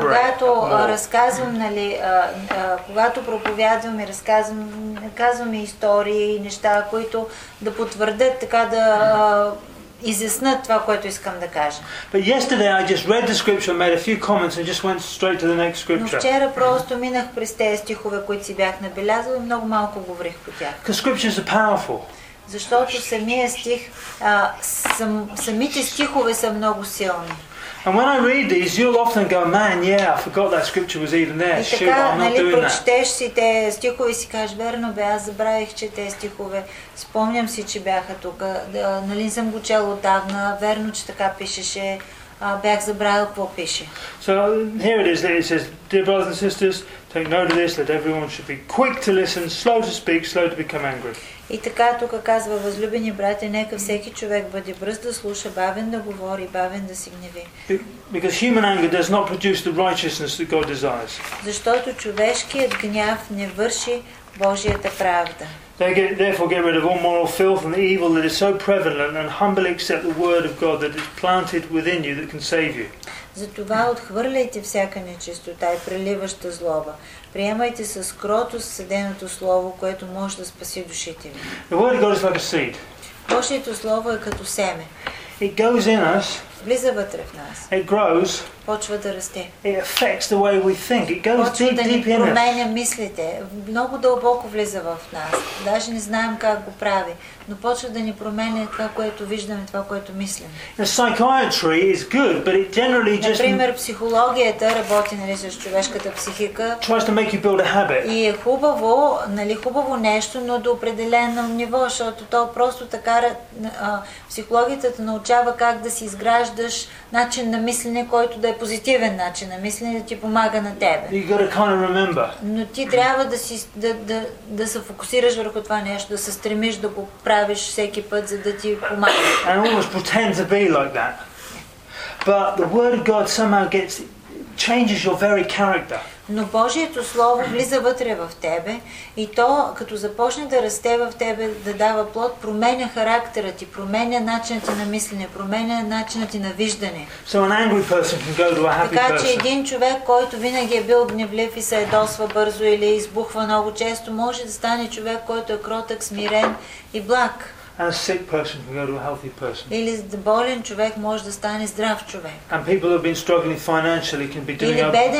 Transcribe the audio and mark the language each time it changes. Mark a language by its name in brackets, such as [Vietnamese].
[Bulgarian] Когато разказвам, нали, когато проповядвам и разказвам, казвам истории и неща, които да потвърдят, така да изяснят това, което искам да кажа. [English] But yesterday I just read the scripture, made a few comments, and just went straight to the next scripture. [Bulgarian] Но вчера просто минах през тези стихове, които си бях набелязал, и много малко говорих по тях. [English] Because scriptures are powerful. [Bulgarian] Защото самия стих, самите стихове са много силни. [English] And when I read these, you'll often go, man, yeah, I forgot that scripture was even there. [Bulgarian] И така, нали, прочетеш си те стихове и си кажеш, верно бе, аз забравих, че те стихове, спомням си, че бяха тук, нали, съм го чел отдавна, верно, че така пишеше, бях забравил какво пише. [English] So here it is, it says, dear brothers and sisters, take note of this, that everyone should be quick to listen, slow to speak, slow to become angry. [Bulgarian] И така тук казва, възлюбени брати, нека всеки човек бъде бърз да слуша, бавен да говори, бавен да се гневи. [English] Because human anger does not produce the righteousness that God desires. [Bulgarian] Защото човешкият гняв не върши Божията правда. [English] Therefore get rid of all moral filth and the evil that is so prevalent and humbly accept the word of God that is planted within you that can save you. [Bulgarian] Затова отхвърляйте всяка нечистота и преливаща злоба. Приемайте с кротост съденото слово, което може да спаси душите ви. [English] The word of God is like a seed. [Bulgarian] Божието слово е като семе. [English] It goes in us. [Bulgarian] Влиза вътре в нас. [English] It grows. [Bulgarian] Почва да расте. [English] It affects the way we think. It goes deep, deep in us. [Bulgarian] Почва да променя мислите. Много дълбоко влиза в нас. Даже не знаем как го прави. Но почва да ни променя това, което виждаме, това, което мислим. [English] Psychiatry is good, but it generally just... [Bulgarian] Например, психологията работи, нали, с човешката психика. [English] Tries to make you build a habit. [Bulgarian] И е хубаво, нали, хубаво нещо, но до определено ниво, защото то просто така психологията те научава как да си изграждаш начин на мислене, който да е позитивен начин на мислене, да ти помага на тебе. [English] You gotta kind of remember. [Bulgarian] Но ти трябва да си да се фокусираш върху това нещо, да се стремиш да го правиш всеки път, за да ти помага. [English] And almost pretend to be like that. But the word of God somehow changes your very character. [Bulgarian] Но Божието слово влиза вътре в тебе и то, като започне да расте в тебе, да дава плод, променя характера ти, променя начина ти на мислене, променя начина ти на виждане. [English] So an angry person can go to a happy person. [Bulgarian] Така че един човек, който винаги е бил гневлив и се ядосва бързо или избухва много често, може да стане човек, който е кротък, смирен и благ. [English] And a sick person can go to a healthy person. [Bulgarian] Или болен човек може да стане здрав човек. [English] And people who have been struggling financially can be doing better than they were.